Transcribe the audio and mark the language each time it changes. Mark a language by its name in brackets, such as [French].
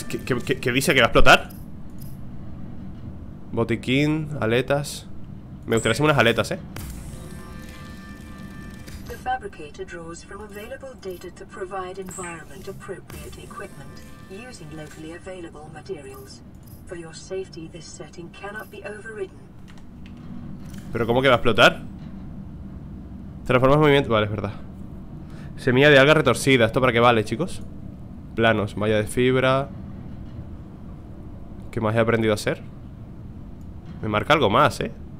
[Spanish] ¿Qué dice que va a explotar? Botiquín, aletas. Me gustaría hacer unas aletas, ¿eh? [English] Fabricator draws from available data to provide environment appropriate equipment using locally available materials. For your safety, this setting cannot be overridden. [Spanish] ¿Pero cómo que va a explotar? Transformas movimiento. Vale, es verdad. Semilla de alga retorcida. ¿Esto para qué vale, chicos? Planos, malla de fibra. ¿Qué más he aprendido a hacer? Me marca algo más, ¿eh?